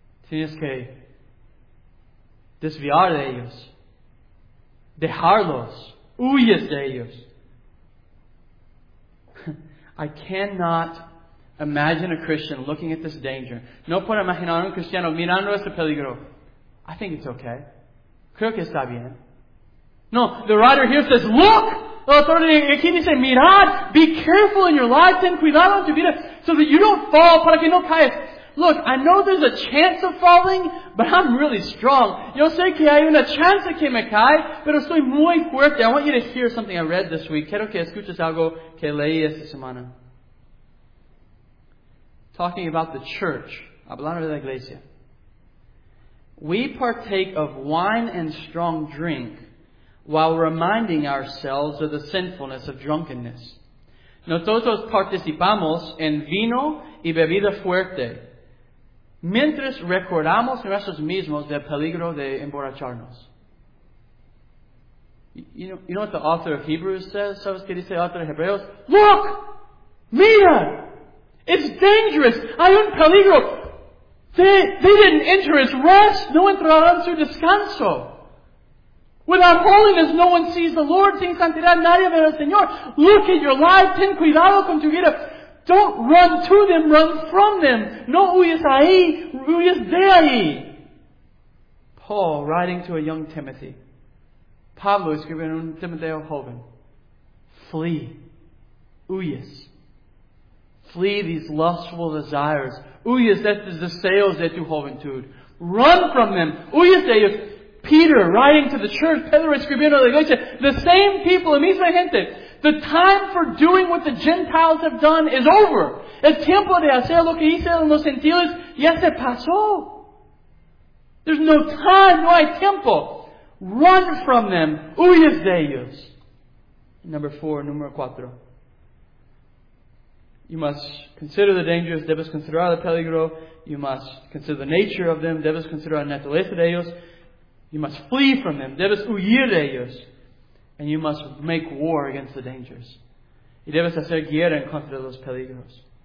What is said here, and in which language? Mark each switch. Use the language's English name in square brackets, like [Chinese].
[Spanish] Tienes que desviar de ellos. Dejarlos. Huyes de ellos. [English] I cannot imagine a Christian looking at this danger. [Spanish] No puedo imaginar un cristiano mirando este peligro. [English] I think it's okay. [Spanish] Creo que está bien. [English] No, the writer here says, look! [Spanish] Aquí dice, mirad, [English] be careful in your life, [Spanish] ten cuidado en tu vida, [English] so that you don't fall, [Spanish] para que no caes. [English] Look, I know there's a chance of falling, but I'm really strong. [Spanish] Yo sé que hay una chance de que me cae, pero estoy muy fuerte. [English] I want you to hear something I read this week. [Spanish] Quiero que escuches algo que leí esta semana. [English] Talking about the church. [Spanish] Hablando de la iglesia. [English] We partake of wine and strong drink, while reminding ourselves of the sinfulness of drunkenness. [Spanish] Nosotros participamos en vino y bebida fuerte, mientras recordamos a nosotros mismos del peligro de emborracharnos. [English] You know what the author of Hebrews says? [Spanish] ¿Sabes qué dice el autor de Hebreos? [English] Look! [Spanish] Mira! [English] It's dangerous! [Spanish] Hay un peligro! [English] They didn't enter his rest. [Spanish] No entrarán su descanso. [English] Without holiness, no one sees the Lord. [Spanish] Sin santidad, nadie ve al Señor. [English] Look at your life. [Spanish] Ten cuidado con tu vida. [English] Don't run to them, run from them. [Spanish] No huyes ahí, huyes de ahí. [English] Paul, writing to a young Timothy. [Spanish] Pablo, escribiendo a un Timoteo joven. [English] Flee. [Spanish] Huyes. [English] Flee these lustful desires. [Spanish] Huyes de estos deseos de tu juventud. [English] Run from them. [Spanish] Huyes de ellos. [English] Peter, writing to the church. [Spanish] Pedro, escribiendo a la iglesia. [English] The same people, [Spanish] la misma gente. [English] The time for doing what the Gentiles have done is over. [Spanish] El tiempo de hacer lo que hicieron los gentiles ya se pasó. [English] There's no time, [Spanish] no hay tiempo. [English] Run from them. [Spanish] Huyes de ellos. Número cuatro. [English] You must consider the dangers. [Spanish] Debes considerar el peligro. [English] You must consider the nature of them. [Spanish] Debes considerar la naturaleza de ellos. [English] You must flee from them. [Spanish] Debes huir de ellos. [English] And you must make war against the dangers. [Spanish] Y debes hacer guerra en contra de los peligros.